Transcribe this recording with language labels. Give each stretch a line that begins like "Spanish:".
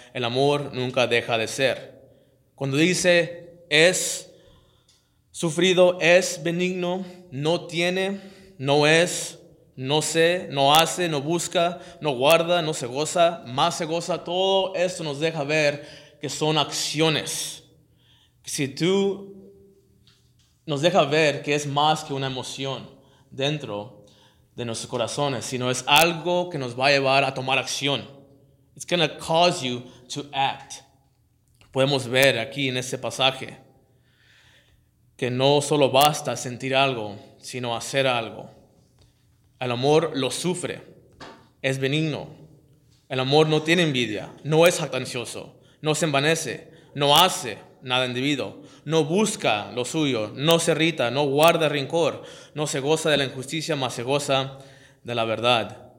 Spanish: El amor nunca deja de ser. Cuando dice es sufrido, es benigno, no tiene, no es, no sé, no hace, no busca, no guarda, no se goza, más se goza. Todo esto nos deja ver que son acciones. Si tú nos deja ver que es más que una emoción dentro de nuestros corazones, sino es algo que nos va a llevar a tomar acción.
English: It's going to cause you to act.
Spanish: Podemos ver aquí en este pasaje que no solo basta sentir algo, sino hacer algo. El amor lo sufre, es benigno. El amor no tiene envidia, no es jactancioso, no se envanece, no hace nada indebido, no busca lo suyo, no se irrita, no guarda rencor, no se goza de la injusticia, mas se goza de la verdad.